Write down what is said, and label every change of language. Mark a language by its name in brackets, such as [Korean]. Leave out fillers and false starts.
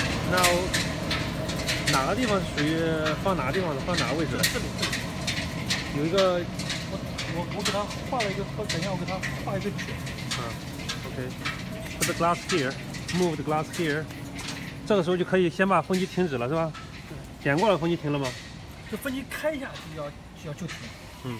[English] Now. [Chinese] 哪个地方属于放哪个地方的？放哪个位置的？这里有一个，我给他画了一个，等一下我给他画一个点。 [English] OK, put the glass here, move the glass here. [Chinese] 这个时候就可以先把风机停止了，是吧？对。点过了，风机停了吗？就风机开一下就要就停。